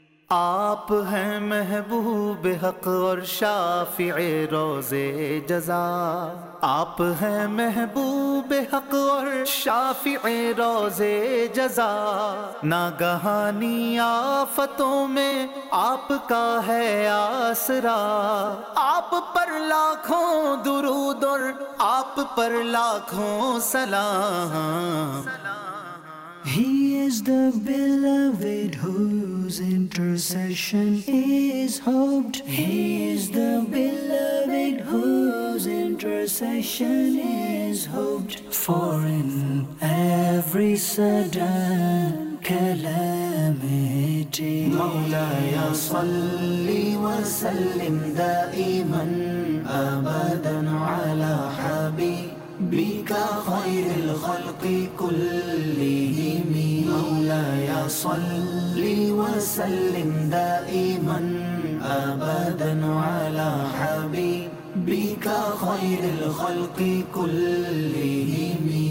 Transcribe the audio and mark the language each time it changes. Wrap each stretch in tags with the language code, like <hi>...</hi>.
<ur>آپ ہیں محبوب حق اور شافع روز جزا, آپ ہیں محبوب حق اور شافع روز جزا, ناگہانی آفتوں میں آپ کا ہے آسرا, آپ پر لاکھوں درود اور آپ پر لاکھوں سلام.</ur> <en>He is the beloved whose intercession is hoped. He is the beloved whose intercession is hoped. For in every sudden calamity,</en> <ar>Mawla ya salli wa sallim da'iman abadan ala habib بك خير الخلق كلهم, مولاي صل وسلم دائما أبدا على حبيبك خير الخلق كلهم.</ar>